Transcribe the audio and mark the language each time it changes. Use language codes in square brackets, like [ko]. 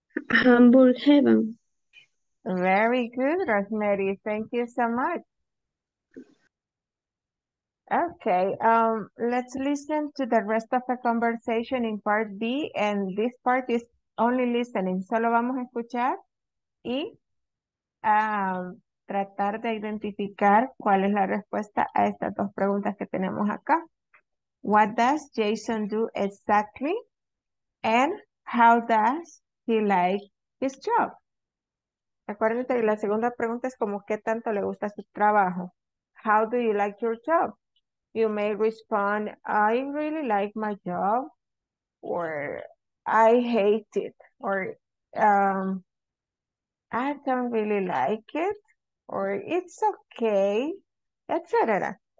[en] Hamburg Heaven. Very good, Rosemary. Thank you so much. Okay, let's listen to the rest of the conversation in part B, and this part is only listening. [es] Solo vamos a escuchar y tratar de identificar cuál es la respuesta a estas dos preguntas que tenemos acá. [en] What does Jason do exactly? And how does he like his job? [es] Acuérdate que la segunda pregunta es como, ¿qué tanto le gusta su trabajo? [en] How do you like your job? You may respond, I really like my job, or I hate it, or I don't really like it, or it's okay, etc.